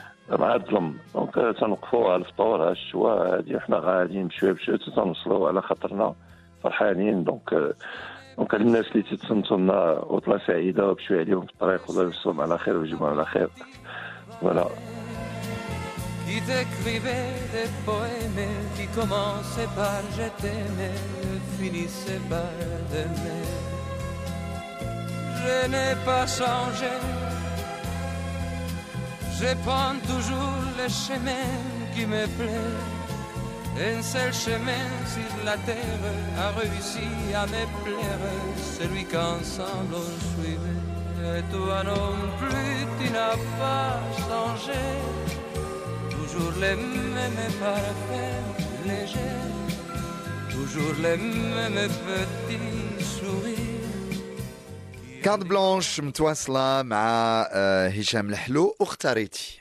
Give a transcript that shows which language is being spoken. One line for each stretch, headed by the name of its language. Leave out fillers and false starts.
Arabic: مع الظلم دونك تنوقفوا على الفطور على الشواء هادي حنا غاديين بشويه بشويه تنوصلوا على خاطرنا فرحانين دونك الناس اللي تتسنتنا عطله سعيده بشويه عليهم في الطريق والله يوصلهم على خير ويجيبهم على خير فوالا
French: Qui t'écrivait des poèmes qui commençaient par je t'aimais, finissaient par t'aimer. Je n'ai pas changé, je prends toujours le chemin qui me plaît. Un seul chemin sur la terre a réussi à me plaire, celui qu'ensemble on suivait. Et toi non plus, tu n'as pas changé. Toujours les mêmes parfums, neigé. Toujours les mêmes petits sourires.
Arabic: كارت بلانش متواصلة مع هشام لحلو اختاريتي.